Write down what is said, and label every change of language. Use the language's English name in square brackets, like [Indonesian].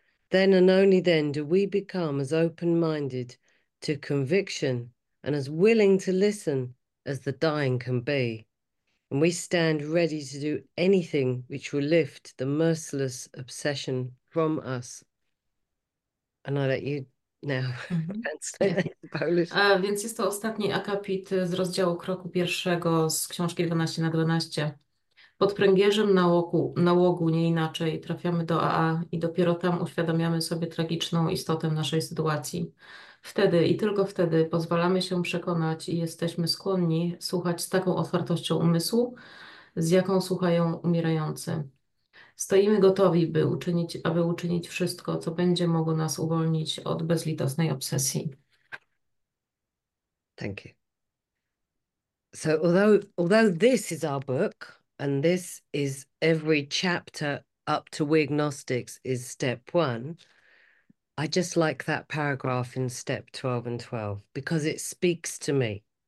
[English] Then, and only then, do we become as open-minded to conviction and as willing to listen as the dying can be. And we stand ready to do anything which will lift the merciless obsession from us. And I let you now. [Polish] Nie. [English] Translate that into Polish. [Polish] A więc jest to ostatni akapit z rozdziału kroku pierwszego z książki 12 na 12. Pod pręgierzem nałogu, nie inaczej, trafiamy do AA i dopiero tam uświadamiamy sobie tragiczną istotę naszej sytuacji. Wtedy i tylko wtedy pozwalamy się przekonać i jesteśmy skłonni słuchać z taką otwartością umysłu, z jaką słuchają umierający. Stoimy gotowi, aby uczynić wszystko, co będzie mogło nas uwolnić od bezlitosnej obsesji. [English] Thank you. So although this is our book and this is every chapter up to We Agnostics is step one, I just like that paragraph in step 12 and 12 because it speaks to me.